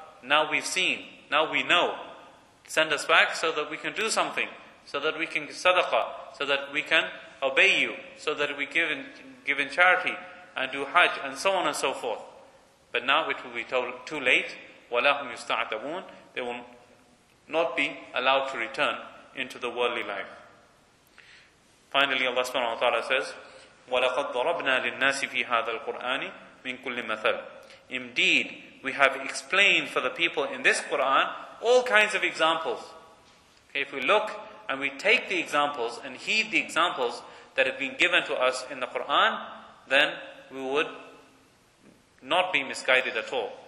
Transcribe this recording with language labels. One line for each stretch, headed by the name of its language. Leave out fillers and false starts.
English: Now we've seen, now we know. Send us back so that we can do something, so that we can sadaqah, so that we can obey you, so that we give in charity and do hajj and so on and so forth. But now it will be too late.
Arabic: وَلَهُمْ يُسْتَعْتَبُونَ.
English: They will not be allowed to return into the worldly life. Finally, Allah subhanahu wa ta'ala says,
Arabic: وَلَقَدْ ضَرَبْنَا لِلنَّاسِ فِي هَذَا الْقُرْآنِ مِنْ كُلِّ مَثَلٍ.
English: Indeed, we have explained for the people in this Qur'an all kinds of examples. Okay, if we look and we take the examples and heed the examples that have been given to us in the Qur'an, then we would not be misguided at all.